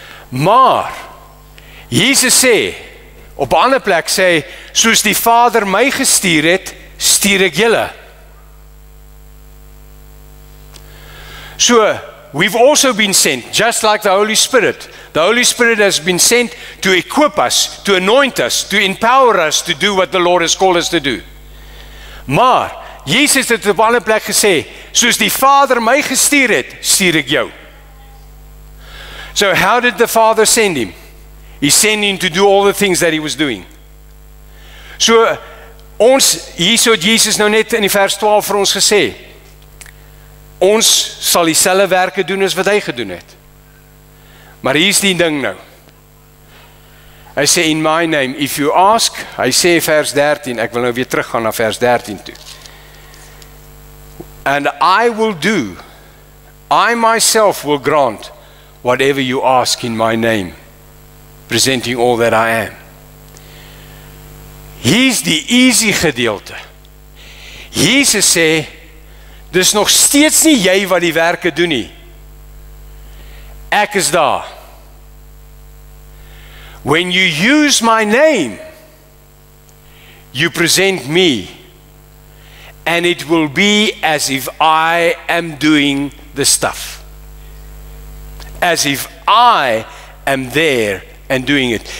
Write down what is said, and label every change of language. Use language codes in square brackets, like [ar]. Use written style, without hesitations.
[af] Maar, Jesus sê, op ander plek sê, soos die Vader my gestuur het, stuur ek julle. [en] So, we've also been sent, just like the Holy Spirit. The Holy Spirit has been sent to equip us, to anoint us, to empower us to do what the Lord has called us to do. [af] Maar, Jesus het op alle plek gesê, soos die Vader my gestuur het, stuur ek jou. [en] So how did the Father send him? He sent him to do all the things that he was doing. [af] So, ons, hier het Jesus nou net in die vers 12 vir ons gesê, ons sal dieselfde werke doen as wat hy gedoen het. Maar hier is die ding nou. Hy sê, [en] in my name, if you ask, [af] hy sê vers 13, ek wil nou weer teruggaan na vers 13 toe. [en] And I will do, I myself will grant whatever you ask in my name, presenting all that I am. [af] Hier's die easy gedeelte. Jesus sê, dis nog steeds nie jy wat die werke doen nie. Ek is daar. [en] When you use my name, you present me, and it will be as if I am doing the stuff. As if I am there and doing it.